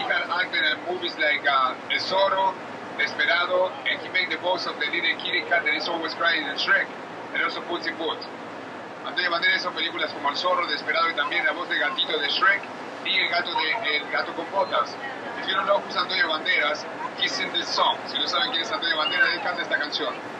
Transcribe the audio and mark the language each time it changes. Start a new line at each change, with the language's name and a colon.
English: Acted in movies like Zorro, Desperado, and he made the voice of the little kitty cat that is always crying in Shrek, and also puts in Boots.
Spanish: Antonio Banderas son películas como El Zorro, Desperado, y también La Voz de Gatito de Shrek, y El Gato con Botas.
English: If you don't know who's Antonio Banderas, he sings this song.
Spanish: Si no saben quién es Antonio Banderas, él canta esta canción.